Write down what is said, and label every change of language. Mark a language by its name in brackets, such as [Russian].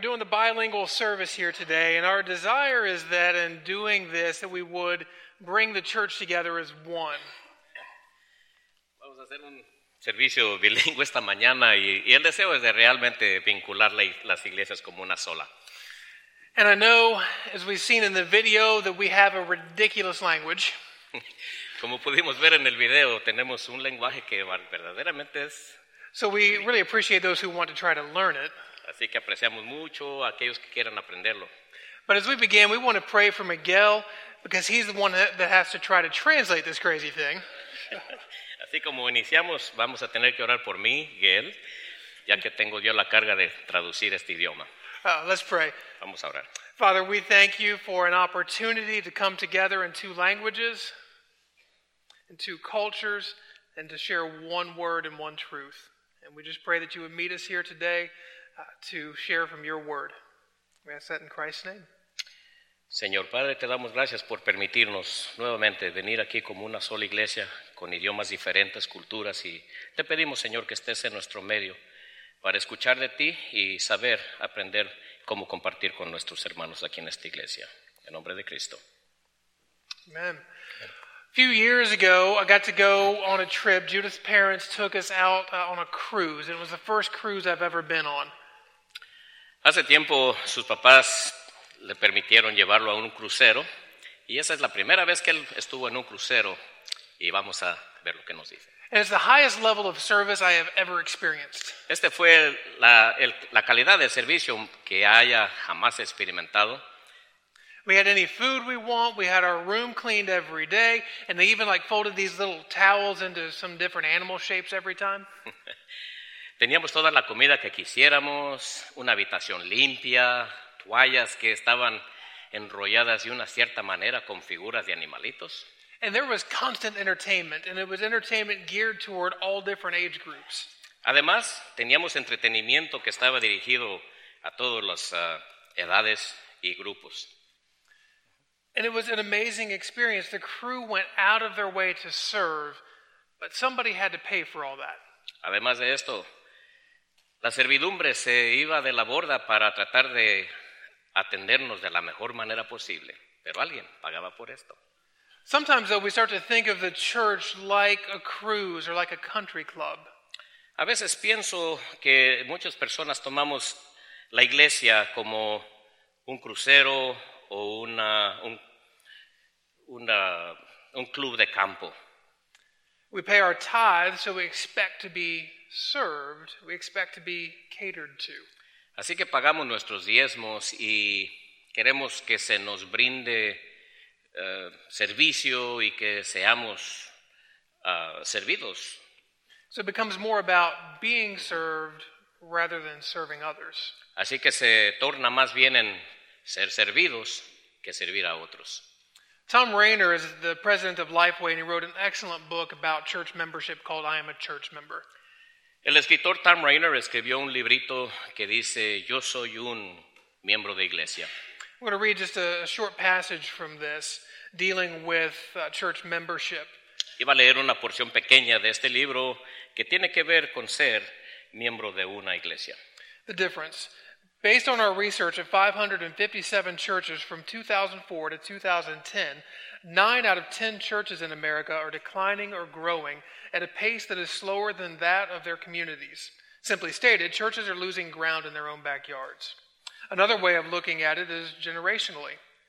[English] Bilingual service here today, and our desire is that in doing this that we would bring the church together as one. [Spanish] Vamos a hacer un servicio bilingüe esta mañana y el deseo es de realmente vincular las iglesias como una sola. [English] And I know, as we've seen in the video, that we have a ridiculous language. [Spanish] Como pudimos ver en el video, tenemos un lenguaje que verdaderamente es... [English] So we really appreciate those who want to try to learn it. [Spanish] Así que apreciamos mucho a aquellos que quieran aprenderlo. [English] But as we begin, we want to pray for Miguel because he's the one that has to try to translate this crazy thing. [Spanish] Así como iniciamos, vamos a tener que orar por mí, Miguel, ya que tengo yo la carga de traducir este idioma. [English] Let's pray. [Spanish] Vamos a orar. [English] Father, we thank you for an opportunity to come together in two languages, in two cultures, and to share one word and one truth. And we just pray that you would meet us here today to share from your word. We ask that in Christ's name. [Spanish] Señor Padre, te damos gracias por permitirnos nuevamente venir aquí como una sola iglesia con idiomas diferentes, culturas, y te pedimos, Señor, que estés en nuestro medio para escuchar de ti y saber aprender cómo compartir con nuestros hermanos aquí en esta iglesia. En nombre de Cristo. Amen. [English] A few years ago, I got to go on a trip. Judith's parents took us out on a cruise. It was the first cruise I've ever been on. [Spanish] Hace tiempo sus papás le permitieron llevarlo a un crucero y esa es la primera vez que él estuvo en un crucero y vamos a ver lo que nos dice. [English] And it's the highest level of service I have ever experienced. [Spanish] Este fue la calidad de servicio que haya jamás experimentado. [English] We had any food we want, we had our room cleaned every day, and they even like folded these little towels into some different animal shapes every time. [Spanish] Teníamos toda la comida que quisiéramos, una habitación limpia, toallas que estaban enrolladas de una cierta manera con figuras de animalitos. [English] And there was constant entertainment, and it was entertainment geared toward all different age groups. [Spanish] Además, teníamos entretenimiento que estaba dirigido a todas las edades y grupos. [English] And it was an amazing experience. The crew went out of their way to serve, but somebody had to pay for all that. [Spanish] Además de esto, la servidumbre se iba de la borda para tratar de atendernos de la mejor manera posible, pero alguien pagaba por esto. [English] Sometimes though we start to think of the church like a cruise or like a country club. [Spanish] A veces pienso que muchas personas tomamos la iglesia como un crucero o un club de campo. [English] We pay our tithes, so we expect to be served, we expect to be catered to. [Spanish] Así que pagamos nuestros diezmos y queremos que se nos brinde servicio y que seamos servidos. [English] So it becomes more about being served rather than serving others. [Spanish] Así que se torna más bien en ser servidos que servir a otros. [English] Tom Rainer is the president of Lifeway, and he wrote an excellent book about church membership called I Am a Church Member. [Spanish] El escritor Tom Rainer escribió un librito que dice, Yo soy un miembro de iglesia. [English] I'm going to read just a short passage from this, dealing with church membership. [Spanish] Iba a leer una porción pequeña de este libro que tiene que ver con ser miembro de una iglesia. [English] The difference. Based on our research of 557 churches from 2004 to 2010, 9 out of 10 churches in America are declining or growing at a pace that is slower than that of their communities. Simply stated, churches are losing ground in their own backyards. Another way of looking at it is generationally.